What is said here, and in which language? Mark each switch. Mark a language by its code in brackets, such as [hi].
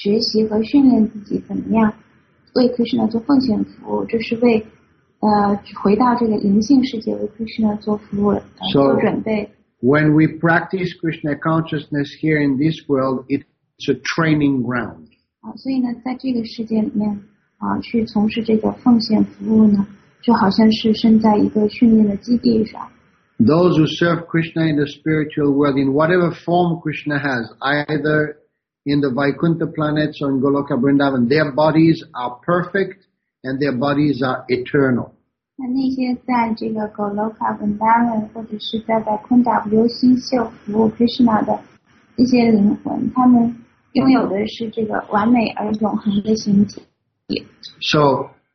[zh] 那其实我们就是在这个物质世界里应用这个现有的这个条件，在学习和训练自己怎么样为 Krishna 做奉献服务，就是为回到这个灵性世界为 Krishna 做服务做准备。 [en] When we practice Krishna consciousness here in this world, it's a training ground. [zh] 所以呢，在这个世界里面，去从事这个奉献服务呢，就好像是身在一个训练的基地上。 [en] Those who serve Krishna in the spiritual world, in whatever form Krishna has, either in the Vaikuntha planets or in Goloka Vrindavan, their bodies are perfect and their bodies are eternal. [zh] 那些在这个Goloka Vrindavan或者是在Vaikuntha流心秀服务 Krishna的这些灵魂，他们拥有的是这个完美而永恒的形体。 [en] So,